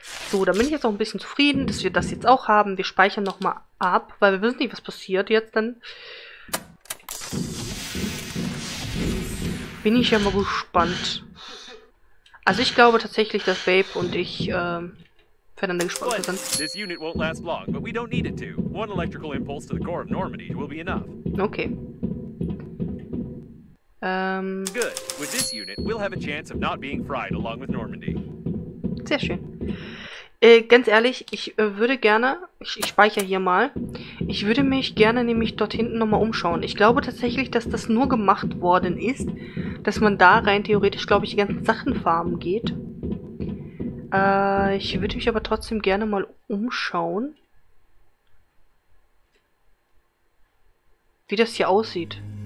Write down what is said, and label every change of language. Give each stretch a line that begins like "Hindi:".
German: So, da bin ich jetzt auch ein bisschen zufrieden, dass wir das jetzt auch haben. Wir speichern nochmal ab, weil wir wissen nicht, was passiert jetzt dann. Bin ich ja mal gespannt. Also ich glaube tatsächlich, dass Babe und ich voneinander gespannt sind.
English: This unit won't last long, but we don't need it to. One electrical impulse to the core of Normandy will be enough. Okay. Good. With this unit, we'll have a chance of not being fried along with Normandy.
German: Sehr schön. Ganz ehrlich, ich würde gerne, ich speichere hier mal, ich würde mich gerne nämlich dort hinten nochmal umschauen. Ich glaube tatsächlich, dass das nur gemacht worden ist, dass man da rein theoretisch, glaube ich, die ganzen Sachen farmen geht. Ich würde mich aber trotzdem gerne mal umschauen, wie das hier aussieht.